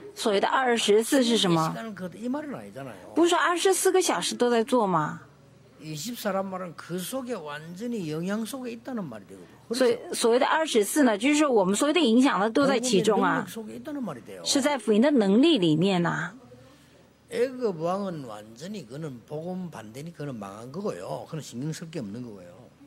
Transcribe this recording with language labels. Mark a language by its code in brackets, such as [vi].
[zh] 所谓的24是什么？不是24个小时都在做吗？ [ko] 24란 말은 그 속에 완전히 영향 속에 있다는 말이에요. [zh] 所谓的24呢，就是说我们所有的影响呢都在其中啊。是在福音的能力里面呐。 [ko] 애굽 왕은 완전히 그는 복음 반대니 그는 망한 거고요. 그는 신경 쓸 게 없는 거고요.